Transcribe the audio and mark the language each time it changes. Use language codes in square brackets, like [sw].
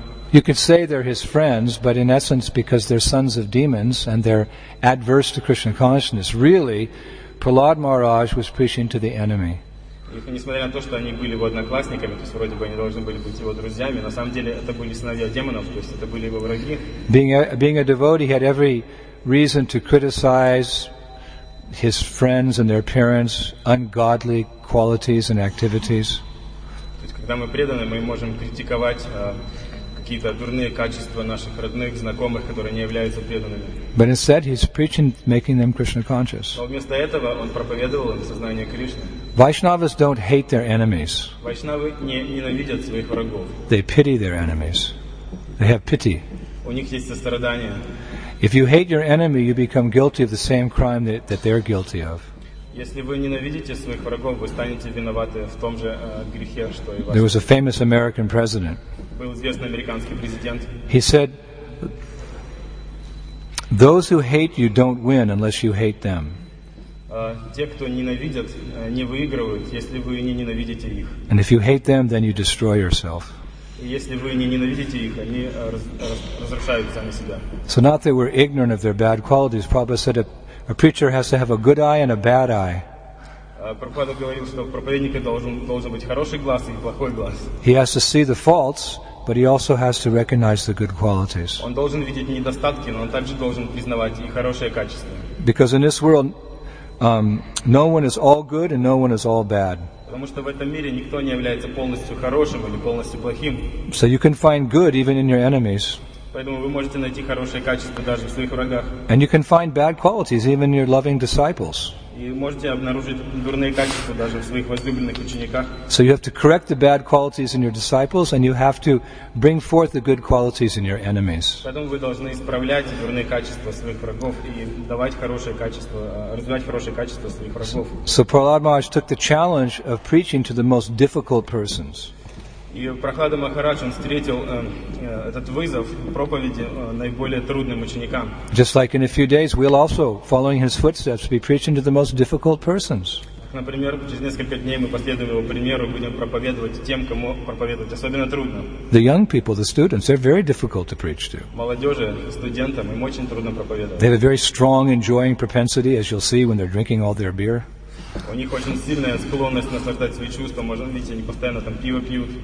[en] You could say they're his friends, but in essence, because they're sons of demons and they're adverse to Krishna consciousness, really, Prahlad Maharaj was preaching to the enemy. [ru] Несмотря на то, что они были его одноклассниками, то есть вроде бы они должны были быть его друзьями, на самом деле это были сыновья демонов, то есть это были его враги. [en] Being a devotee, he had every reason to criticize his friends and their parents' ungodly qualities and activities. [ru] Когда мы преданы, мы можем критиковать какие-то дурные качества наших родных, знакомых, которые не являются преданными. [en] But instead, he's preaching, making them Krishna conscious. [ru] Но вместо этого он проповедовал им сознание Кришны. [en] Vaishnavas don't hate their enemies. [ru] Вайшнавы не ненавидят своих врагов. [en] They pity their enemies. They have pity. [ru] У них есть сострадание. [en] If you hate your enemy, you become guilty of the same crime that they're guilty of. [ru] Если вы ненавидите своих врагов, вы станете виноваты в том же грехе, что и вас. [en] There was a famous American president. [ru] Был известный американский президент. [en] He said, "Those who hate you don't win unless you hate them." [ru] Те, кто ненавидят, не выигрывают, если вы не ненавидите их. [en] And if you hate them, then you destroy yourself. [ru] Если вы не ненавидите их, они разрушают сами себя. [en] So not that we're ignorant of their bad qualities. Prabhupada said it. A preacher has to have a good eye and a bad eye. [ru] Прабхупада говорил, что у проповедника должен быть хороший глаз и плохой глаз. [en] He has to see the faults, but he also has to recognize the good qualities. [ru] Он должен видеть недостатки, но он также должен признавать и хорошие качества. [en] Because in this world, no one is all good and no one is all bad. [ru] Потому что в этом мире никто не является полностью хорошим или полностью плохим. [en] So you can find good even in your enemies. [ru] Поэтому вы можете найти хорошие качества даже в своих врагах. [en] And you can find bad qualities even in your loving disciples. [ru] И можете обнаружить дурные качества даже в своих возлюбленных учениках. [en] So you have to correct the bad qualities in your disciples, and you have to bring forth the good qualities in your enemies. [ru] Поэтому вы должны исправлять дурные качества своих врагов и давать хорошие качества, развивать хорошие качества своих врагов. [en] So Prahlad Maharaj took the challenge of preaching to the most difficult persons. [ru] И Прахлада Махарадж встретил этот вызов проповеди наиболее трудным ученикам. [en] Just like in a few days, we'll also, following his footsteps, be preaching to the most difficult persons. [ru] Например, через несколько дней мы последуем его примеру, будем проповедовать тем, кому проповедовать особенно трудно. [en] The young people, the students, they're very difficult to preach to. [ru] Молодежи, студентам, им очень трудно проповедовать. [en] They have a very strong enjoying propensity, as you'll see when they're drinking all their beer. [ru] У них очень сильная склонность наслаждать свои чувства, можно видеть, они постоянно там пиво пьют.